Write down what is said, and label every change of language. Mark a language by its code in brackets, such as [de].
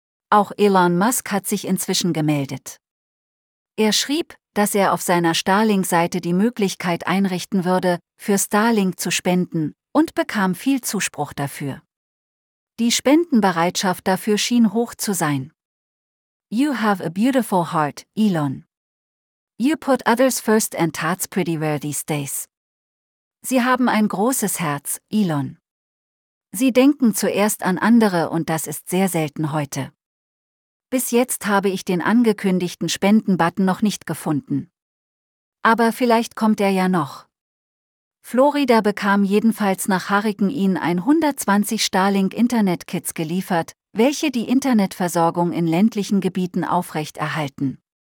[de] Auch Elon Musk hat sich inzwischen gemeldet. Er schrieb, dass er auf seiner Starlink-Seite die Möglichkeit einrichten würde, für Starlink zu spenden, und bekam viel Zuspruch dafür. Die Spendenbereitschaft dafür schien hoch zu sein. [en] You have a beautiful heart, Elon. You put others first and that's pretty rare these days. [de] Sie haben ein großes Herz, Elon. Sie denken zuerst an andere und das ist sehr selten heute. Bis jetzt habe ich den angekündigten Spenden-Button noch nicht gefunden. Aber vielleicht kommt er ja noch. Florida bekam jedenfalls nach Hurricane Ian 120 Starlink-Internet-Kits geliefert, welche die Internetversorgung in ländlichen Gebieten aufrechterhalten.